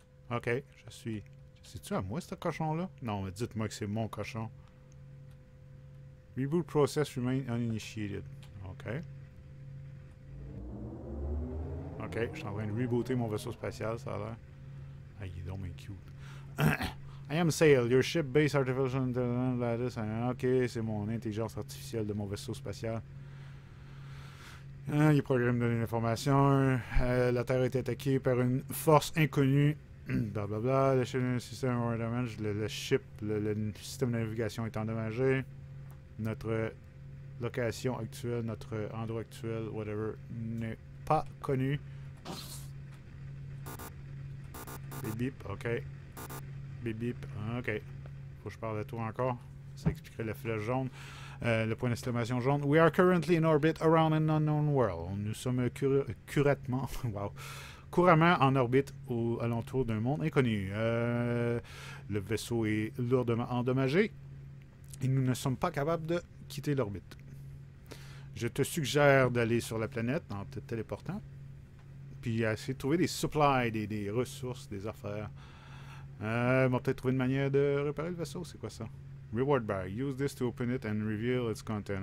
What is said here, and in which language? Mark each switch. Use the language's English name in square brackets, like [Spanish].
[French] Ok, je suis... C'est-tu à moi, ce cochon-là? Non, mais dites-moi que c'est mon cochon. [English] Reboot process remain uninitiated. [French] Ok. Ok, je suis en train de rebooter mon vaisseau spatial, ça a l'air. Ah, il est donc bien cute. [English] I am Sail, your ship base artificial intelligence lattice. [French] Ok, c'est mon intelligence artificielle de mon vaisseau spatial. Il programme de l'information. La Terre a été attaquée par une force inconnue. Blablabla. Le système [English] war damage. [French] Le système de navigation est endommagé. Notre location actuelle, notre endroit actuel, whatever, n'est pas connu. Bip bip, ok. Bip bip, ok. Faut que je parle de toi encore. Ça expliquerait la flèche jaune. Le point d'exclamation jaune. [English] We are currently in orbit around an unknown world. [French] Nous sommes curatement, wow, couramment en orbite au alentour d'un monde inconnu. Le vaisseau est lourdement endommagé et nous ne sommes pas capables de quitter l'orbite. Je te suggère d'aller sur la planète en te téléportant puis essayer de trouver des supplies, des ressources, des affaires. On va peut-être trouver une manière de réparer le vaisseau, c'est quoi ça? [English] Reward bag. Use this to open it and reveal its content.